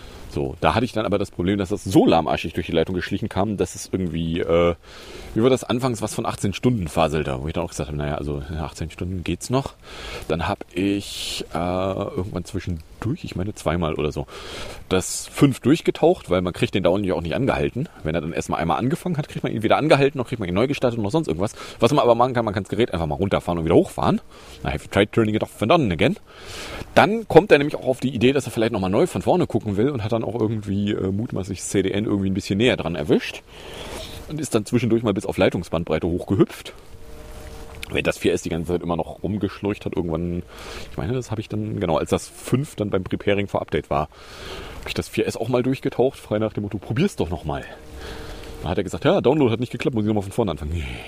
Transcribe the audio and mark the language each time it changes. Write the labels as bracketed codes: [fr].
[de] So, da hatte ich dann aber das Problem, dass das so lahmarschig durch die Leitung geschlichen kam, dass es irgendwie, wie war das anfangs, was von 18 Stunden faselte, wo ich dann auch gesagt habe, naja, also 18 Stunden geht's noch. Dann habe ich irgendwann zwischendurch, ich meine zweimal oder so, das 5 durchgetaucht, weil man kriegt den Download ja auch nicht angehalten. Wenn er dann erstmal einmal angefangen hat, kriegt man ihn wieder angehalten, noch kriegt man ihn neu gestartet und noch sonst irgendwas. Was man aber machen kann, man kann das Gerät einfach mal runterfahren und wieder hochfahren. [en] Na, have you tried turning it off and on again? [de] Dann kommt er nämlich auch auf die Idee, dass er vielleicht nochmal neu von vorne gucken will und hat dann auch irgendwie mutmaßlich das CDN irgendwie ein bisschen näher dran erwischt und ist dann zwischendurch mal bis auf Leitungsbandbreite hochgehüpft. Wenn das 4S die ganze Zeit immer noch rumgeschleucht hat, irgendwann, ich meine, das habe ich dann, genau, als das 5 dann beim Preparing vor Update war, habe ich das 4S auch mal durchgetaucht, frei nach dem Motto, probier's doch nochmal. Dann hat er gesagt, ja, Download hat nicht geklappt, muss ich nochmal von vorne anfangen.